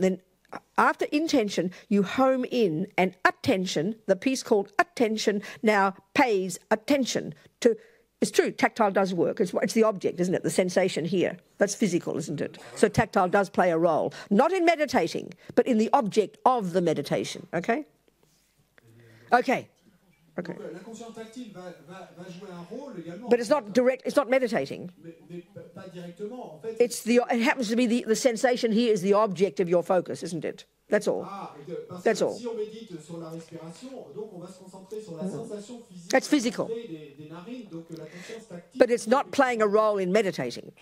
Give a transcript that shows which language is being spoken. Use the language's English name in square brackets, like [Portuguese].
[English] Then after intention, you home in and attention, the piece called attention, now pays attention to. It's true, tactile does work. It's the object, isn't it? The sensation here. That's physical, isn't it? So tactile does play a role, not in meditating, but in the object of the meditation, okay? Okay. Okay. [French] Donc, la conscience tactile va jouer un rôle également. [English] But it's not direct. It's not meditating. [French] Pas directement. En fait, [English] it happens to be the sensation here is the object of your focus, isn't it? That's all. That's all. [French] Si on médite sur la respiration, donc on va se concentrer sur la sensation physique. [English] That's physical. [French] Des narines, donc la conscience tactile. [English] But it's not playing a role in meditating.